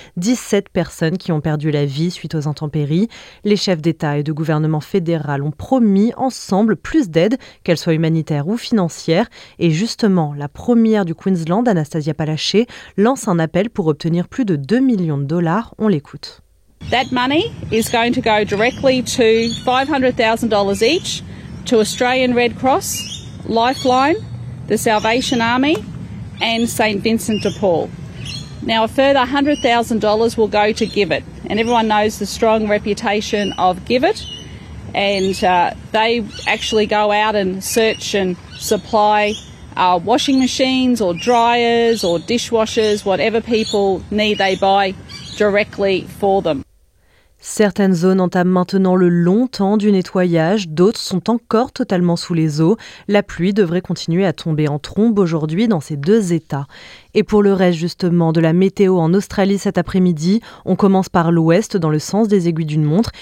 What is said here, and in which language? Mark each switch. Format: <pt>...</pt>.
<fr>17 personnes qui ont perdu la vie suite aux intempéries. Les chefs d'État et de gouvernement fédéraux ont promis ensemble plus d'aide, qu'elle soit humanitaire ou financière. Et justement, la première du Queensland, Anastasia Palaché, lance un appel pour obtenir plus de 2 millions de dollars. On l'écoute.</fr> <en>That money is going to go directly to $500,000 each to Australian Red Cross, Lifeline, the Salvation Army and St. Vincent de Paul. Now a further $100,000 will go to GiveIt. And everyone knows the strong reputation of GiveIt. And they actually go out and search and supply washing machines or dryers or dishwashers, whatever people need, they buy directly for them.</en> <fr>Certaines zones entament maintenant le long temps du nettoyage, d'autres sont encore totalement sous les eaux. La pluie devrait continuer à tomber en trombe aujourd'hui dans ces deux états. Et pour le reste justement de la météo en Australie cet après-midi, on commence par l'ouest dans le sens des aiguilles d'une montre.</fr>